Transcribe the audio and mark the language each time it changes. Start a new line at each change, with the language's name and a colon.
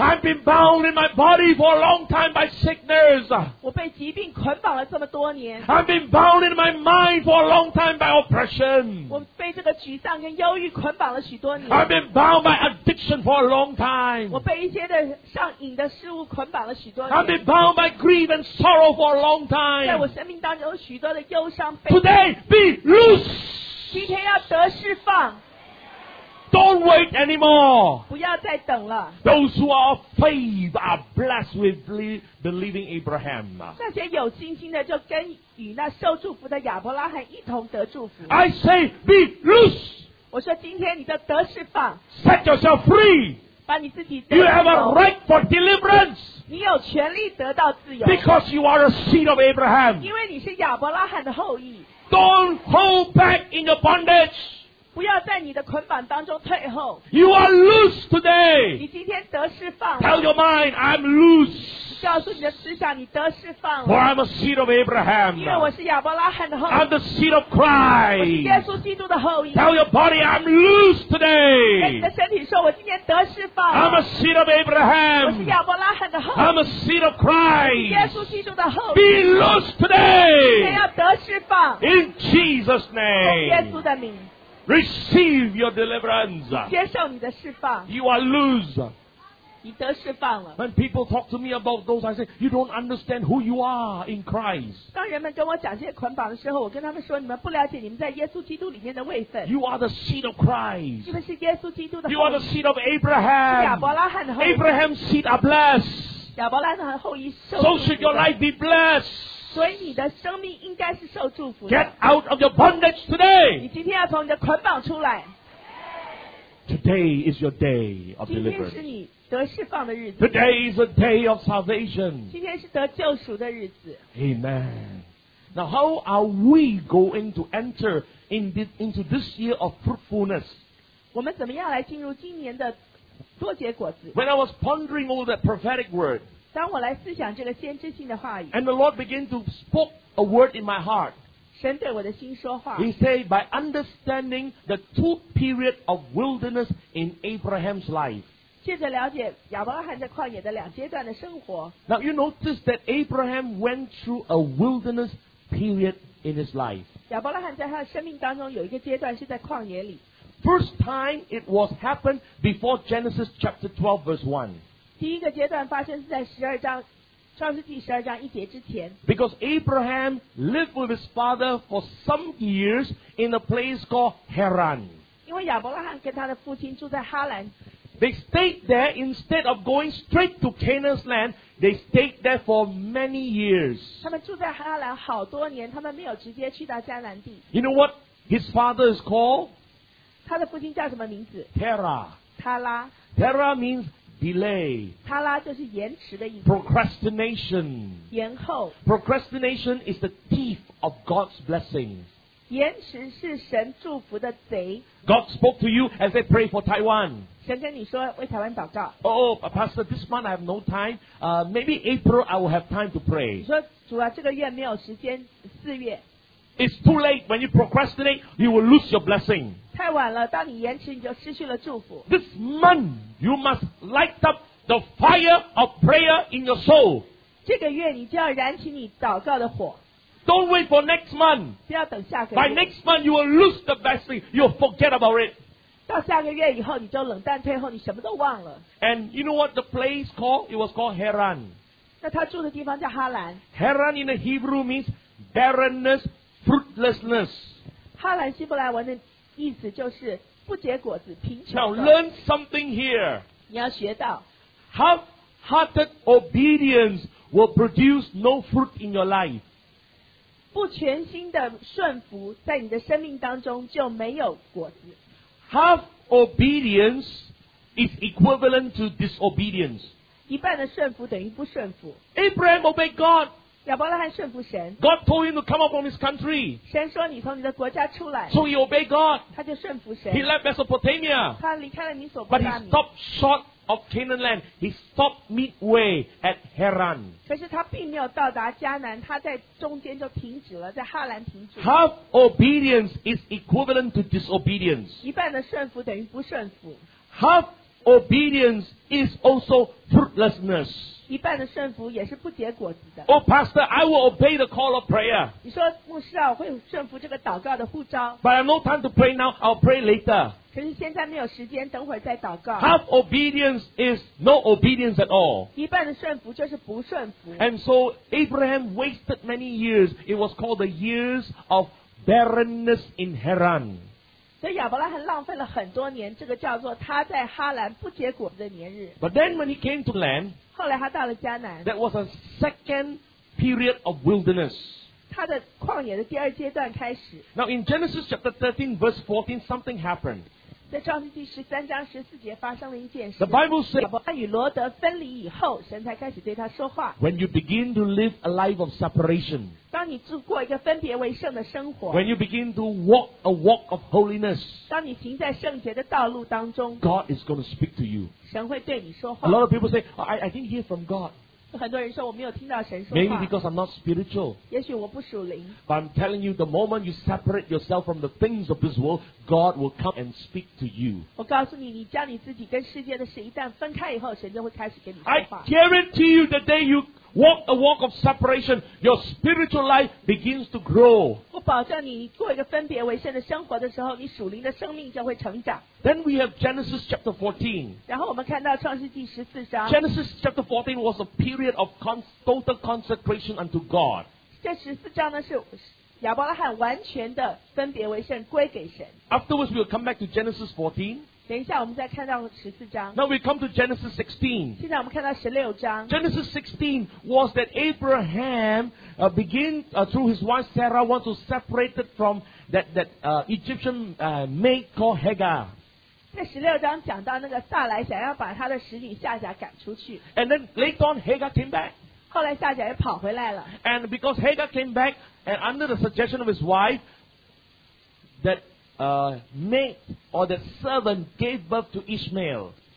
English: I've been bound in my body for a long time by sickness.
Chinese: 我被疾病捆绑了这么多年。
English: I've been bound in my mind for a long time by oppression.
Chinese: 我被这个沮丧跟忧郁捆绑了许多年。
English: I've been bound by addiction for a long time.
Chinese: 我被一些的上瘾的事物捆绑了许多。
English: I've been bound by grief and sorrow for a long time.
Chinese: 在我生命当中有许多的忧伤。
English: Today, be loose.
Chinese: 今天要得释放。
English: Don't wait anymore.
Chinese: 不要再等了。
English: Those who are faith are blessed with believing Abraham.
Chinese: 那些有信心的就跟与那受祝福的亚伯拉罕一同得祝福。
English: I say be loose.
Chinese: 我说今天你就得释放。
English: Set yourself free.
Chinese: 把你自己得自由。
English: You have a right for deliverance.
Chinese: 你有权利得到自由。
English: Because you are a seed of Abraham.
Chinese: 因为你是亚伯拉罕的后裔。
English: Don't hold back in your bondage.
Chinese: 不要在你的捆绑当中退后。
English: You are loose today.
Chinese: 你今天得释放。
English: Tell your mind, I'm loose.
Chinese: 告诉你的思想，你得释放了。
English: For I'm a seed of Abraham.
Chinese: 因为我是亚伯拉罕的后裔。
English: I'm the seed of Christ.
Chinese: 我是耶稣基督的后裔。
English: Tell your body, I'm loose today.
Chinese: 跟你的身体说，我今天得释放
English: 了。I'm a seed of Abraham.
Chinese: 我是亚伯拉罕的后裔。
English: I'm a seed of Christ.
Chinese: 耶稣基督的后裔。
English: Be loose today.
Chinese: 今天要得释放。
English: In Jesus' name.
Chinese: 奉耶稣的名。
English: Receive your deliverance.
Chinese: 接受你的释放。
English: You are loose.
Chinese: 你得释放了。
English: When people talk to me about those, I say, you don't understand who you are in Christ.
Chinese: 当人们跟我讲这些捆绑的时候，我跟他们说，你们不了解你们在耶稣基督里面的位分。
English: You are the seed of Christ.
Chinese: 你们是耶稣基督的。
English: You are the seed of Abraham.
Chinese: 亚伯拉罕的后裔。
English: Abraham's seed are blessed.
Chinese: 亚伯拉罕后裔受。
English: So should your life be blessed.
Chinese: 所以你的生命应该是受祝福的。
English: Get out of your bondage today.
Chinese: 你今天要从你的捆绑出来。
English: Today is your day of deliverance.
Chinese: 今天是你得释放的日子。
English: Today is a day of salvation.
Chinese: 今天是得救赎的日子。
English: Amen. Now, how are we going to enter into this year of fruitfulness?
Chinese: 我们怎么样来进入今年的多结果子？
English: When I was pondering over that prophetic word,
Chinese: 当我来思想这个先知性的话语，
English: and the Lord began to speak a word in my heart.
Chinese: 神对我的心说话。
English: He said, by understanding the two periods of wilderness in Abraham's life.
Chinese: 借着了解亚伯拉罕在旷野的两阶段的生活。
English: Now you notice that Abraham went through a wilderness period in his life.
Chinese: 亚伯拉罕在他的生命当中有一个阶段是在旷野里。
English: First time it was happened before Genesis chapter 12 verse 1.
Chinese: 第一个阶段发生是在十二章。创世纪十二章一节之前。
English: Because Abraham lived with his father for some years in a place called Haran.
Chinese: 因为亚伯拉罕跟他的父亲住在哈兰。
English: They stayed there instead of going straight to Canaan's land. They stayed there for many years.
Chinese: 他们住在哈兰好多年，他们没有直接去到迦南地。
English: You know what his father is called?
Chinese: 他的父亲叫什么名字
English: ？Terah.
Chinese: 他拉。
English: Terah means. Delay.
Chinese: 他拉就是延迟的意思。
English: Procrastination.
Chinese: 延后。
English: Procrastination is the thief of God's blessing.
Chinese: 延迟是神祝福的贼。
English: God spoke to you and said, pray for Taiwan.
Chinese: 神跟你说为台湾祷告。
English: Oh, Pastor, this month I have no time. Maybe April I will have time to pray.
Chinese: 你说主啊，这个月没有时间，四月。
English: It's too late. When you procrastinate, you will lose your blessing.
Chinese: 太晚了，当你延迟，你就失去了祝福。
English: This month, you must light up the fire of prayer in your soul.
Chinese: 这个月你就要燃起你祷告的火。
English: Don't wait for next month.
Chinese: 不要等下个月。
English: By next month, you will lose the blessing. You'll forget about it.
Chinese: 到下个月以后，你就冷淡退后，你什么都忘了。
English: And you know what the place called? It was called Haran.
Chinese: 那他住的地方叫哈兰。
English: Haran in the Hebrew means barrenness. Fruitlessness.
Chinese: 哈兰希伯来文的意思就是不结果子，贫穷。
English: Now learn something here.
Chinese: 你要学到。
English: Half-hearted obedience will produce no fruit in your life.
Chinese: 不全心的顺服在你的生命当中就没有果子。
English: Half obedience is equivalent to disobedience.
Chinese: 一半的顺服等于不顺服。
English: Abraham obeyed God.
Chinese: 亚伯拉罕顺服神。
English: God told him to come up from his country.
Chinese: 神说你从你的国家出来。
English: So he obeyed God.
Chinese: 他就顺服神。
English: He left Mesopotamia.
Chinese: 他离开了米索波大米。
English: But he stopped short of Canaan land. He stopped midway at Haran.
Chinese: 可是他并没有到达迦南，他在中间就停止了，在哈兰停止。
English: Half obedience is equivalent to disobedience.
Chinese: 一半的顺服等于不顺服。
English: Half obedience is also fruitlessness.
Chinese: 一半的顺服也是不结果子的。
English: Oh, Pastor, I will obey the call of prayer.
Chinese: 你说牧师啊，我会顺服这个祷告的呼召。
English: But I have no time to pray now. I'll pray later.
Chinese: 可是现在没有时间，等会儿再祷告。
English: Half obedience is no obedience at all.
Chinese: 一半的顺服就是不顺服。
English: And so Abraham wasted many years. It was called the years of barrenness in Haran.
Chinese: 所以亚伯拉罕浪费了很多年，这个叫做他在哈兰不结果子的年日。
English: But then when he came to land,
Chinese: 后来他到了迦南。
English: That was a second period of wilderness.
Chinese: 他的旷野的第二阶段开始。
English: Now in Genesis chapter 13 verse 14, something happened.
Chinese: 在创世纪十三章十四节发生了一件事。
English: The Bible says,
Chinese: 亚伯拉与罗德分离以后，神才开始对他说话。
English: When you begin to live a life of separation,
Chinese: 当你过一个分别为圣的生活。
English: When you begin to walk a walk of holiness,
Chinese: 当你行在圣洁的道路当中。
English: God is going to speak to you.
Chinese: 神会对你说话。
English: A lot of people say, I didn't hear from God.
Chinese: 很多人说我没有听到神说话。
English: Maybe because I'm not spiritual.
Chinese: 也许我不属灵。
English: But I'm telling you, the moment you separate yourself from the things of this world, God will come and speak to you.
Chinese: 我告诉你，你将你自己跟世界的事一旦分开以后，神就会开始跟你说话。
English: I guarantee you, the day you walk a walk of separation, your spiritual life begins to grow.
Chinese: 我保证你，你过一个分别为圣的生活的时候，你属灵的生命就会成长。
English: Then we have Genesis chapter 14.
Chinese: 然后我们看到创世纪十四章。
English: Genesis chapter 14 was a period of total consecration unto God.
Chinese: 这十四章呢是亚伯拉罕完全的分别为圣，归给神。
English: Afterwards, we will come back to Genesis 14.
Chinese: 等一下，我们再看到十四章。
English: Now we come to Genesis 16.
Chinese: 现在我们看到十六章。
English: Genesis 16 was that Abraham through his wife Sarah want to separate it from that Egyptian maid called Hagar.
Chinese: 在十六章讲到那个撒来想要把他的使女夏甲赶出去。
English: And then later on Hagar came back.
Chinese: 后来夏甲也跑回来了。
English: And because Hagar came back and under the suggestion of his wife that. Maid or the servant gave birth to Ishmael.